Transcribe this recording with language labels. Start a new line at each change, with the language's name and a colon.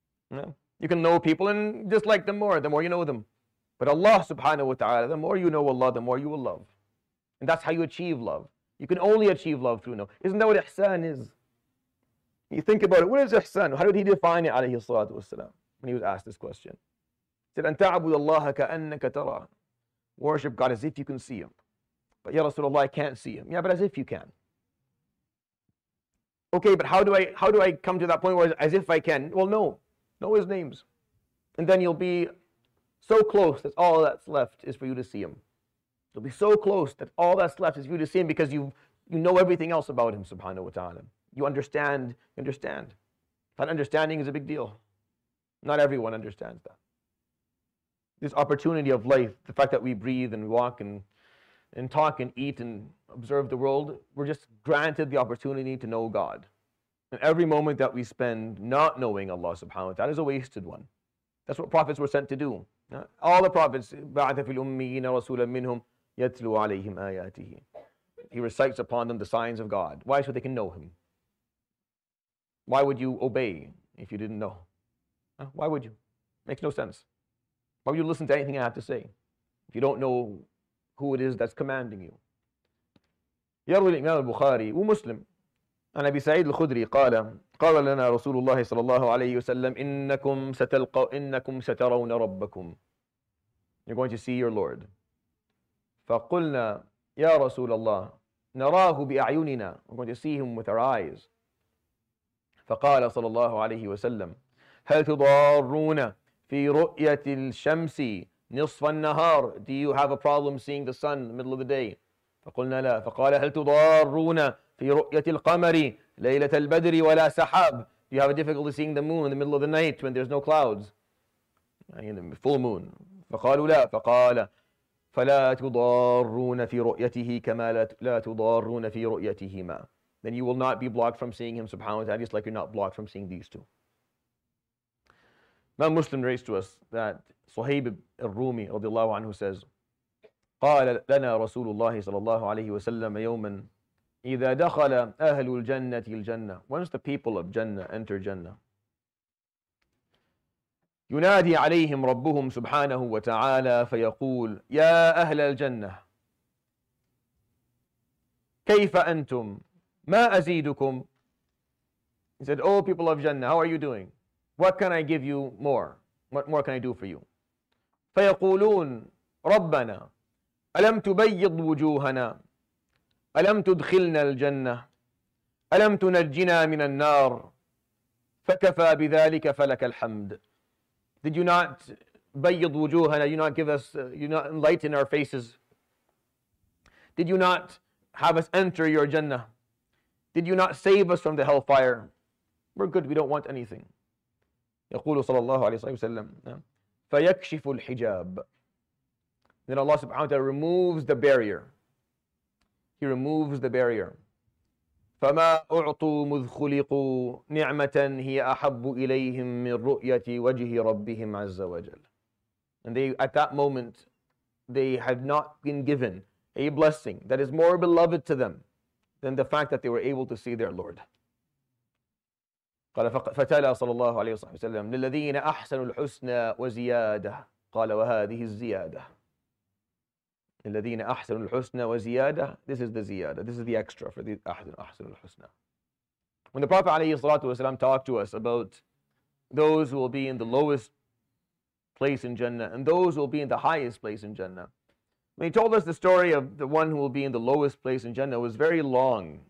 English: You can know people and dislike them more, the more you know them. But Allah subhanahu wa ta'ala, the more you know Allah, the more you will love. And that's how you achieve love. You can only achieve love through know. Isn't that what ihsan is? You think about it, what is ihsan? How did he define it, alayhi salatu wasalam, when he was asked this question?
Arabic: He said, أن تعبد الله كأنك ترى.
English: Worship God as if you can see him. But ya Rasulullah, I can't see him. Yeah, but as if you can. Okay, but how do I come to that point where as if I can? Well, know his names. And then you'll be so close that all that's left is for you to see him. You'll be so close that all that's left is for you to see him because you know everything else about him, subhanahu wa ta'ala. You understand. That understanding is a big deal. Not everyone understands that. This opportunity of life, the fact that we breathe and walk and talk and eat and observe the world, we're just granted the opportunity to know God. And every moment that we spend not knowing Allah subhanahu wa ta'ala is a wasted one. That's what prophets were sent to do. All the prophets,
Arabic: بَعْثَ فِي الْأُمِّيِّينَ رَسُولًا مِّنْهُمْ يَتْلُوا عَلَيْهِمْ آيَاتِهِ.
English: He recites upon them the signs of God. Why? So they can know him. Why would you obey if you didn't know? Why would you? Makes no sense. Why would you listen to anything I have to say if you don't know who it is that's commanding you?
Arabic: يروي الإمام البخاري ومسلم عن أبي سعيد الخدري قال لنا رسول الله صلى الله عليه وسلم إنكم سترون ربكم.
English: You're going to see your Lord.
Arabic: فقلنا يا رسول الله نراه بأعيننا.
English: We're going to see him with our eyes.
Arabic: فقال صلى الله عليه وسلم هل تضارون في رؤية الشمس نصف النهار.
English: Do you have a problem seeing the sun in the middle of the day?
Arabic: فقلنا لا. فقال هل تضارون في رؤية القمر ليلة البدر ولا سحاب.
English: Do you have a difficulty seeing the moon in the middle of the night when there's no clouds? I mean, full moon.
Arabic: فقالوا لا. فقال فلا تضارون في رؤيته كما لا تضارون في رؤيتهما.
English: Then you will not be blocked from seeing him subhanahu wa ta'ala, just like you're not blocked from seeing these two. Imam Muslim raised to us that Suhayb al-Rumi radiallahu anhu says,
Arabic: قال لنا رسول الله صلى الله عليه وسلم يوما إذا دخل أهل الجنة الجنة.
English: Once the people of Jannah enter Jannah,
Arabic: ينادي عليهم ربهم سبحانه وتعالى فيقول يا أهل الجنة كيف أنتم ما أزيدكم.
English: He said, oh people of Jannah, how are you doing? What can I give you more? What more can I do for you?
Arabic: فيقولون ربنا ألم تبيض وجوهنا ألم تدخلنا الجنة ألم تنجنا من النار فكفى بذلك فلك الحمد.
English: Did you not
Arabic: بيض وجوهنا?
English: Did you not give us, you not enlighten our faces? Did you not have us enter your Jannah? Did you not save us from the hellfire? We're good, we don't want anything.
Arabic: يقول صلى الله عليه وسلم فيكشف الحجاب.
English: Then Allah subhanahu wa ta'ala removes the barrier. He removes the barrier.
Arabic: فما أعطوا مذ خلقوا نعمة هي أحب إليهم من رؤية وجه ربهم عز وجل.
English: And they, at that moment, they had not been given a blessing that is more beloved to them than the fact that they were able to see their Lord.
Arabic: قال فتلا صلى الله عليه وسلم للذين أحسنوا الحسنى وزيادة. قال وهذه الزيادة للذين أحسنوا الحسنى وزيادة.
English: This is the ziyada. This is the extra for the
Arabic: أحسن الحسنى.
English: When the Prophet عليه الصلاة والسلام talked to us about those who will be in the lowest place in Jannah and those who will be in the highest place in Jannah, when he told us the story of the one who will be in the lowest place in Jannah, it was very long.